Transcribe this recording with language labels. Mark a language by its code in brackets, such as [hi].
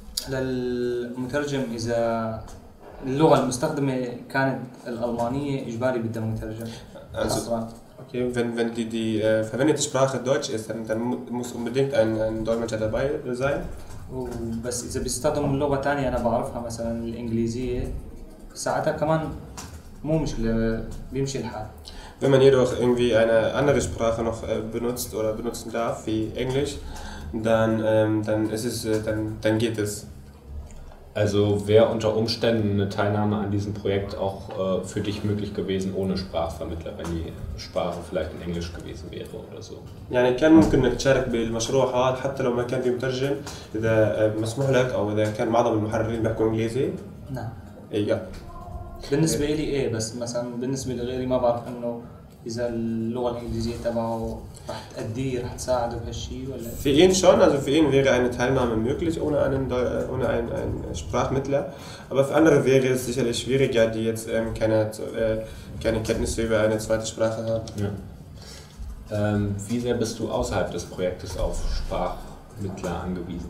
[ar] للمترجم اذا اللغه المستخدمه كانت الالمانيه اجباري بدها مترجم [de] Okay, wenn die verwendete Sprache Deutsch ist, dann muss unbedingt ein Dolmetscher dabei sein. [ar] بس إذا بيستخدم لغة تانية أنا بعرفها مثلاً الإنجليزية ساعتها كمان مو مشكلة بيمشي الحال. [de] Wenn man jedoch irgendwie eine andere Sprache noch benutzt oder benutzen darf wie Englisch, dann geht es. Also wäre unter Umständen eine Teilnahme an diesem Projekt auch für dich möglich gewesen ohne Sprachvermittler, wenn die Sprache vielleicht in Englisch gewesen wäre oder so. [ar] يعني كان ممكن انك تشارك بالمشروع هذا حتى لو ما كان في مترجم اذا مسموح لك او اذا كان معظم المحررين بيحكوا انجليزي. نعم. اي. بالنسبة لي ايه بس مثلا بالنسبة لغيري ما بعرف انه اذا اللغة الانجليزية تبعه راح تأديه راح تساعده بهالشيء ولا [de] في ان شون also في ان wäre eine Teilnahme möglich ohne einen Sprachmittler aber für andere wäre es sicherlich schwieriger die jetzt keine Kenntnisse über eine zweite Sprache haben. Ja. Wie sehr bist du außerhalb des Projektes auf Sprachmittler angewiesen?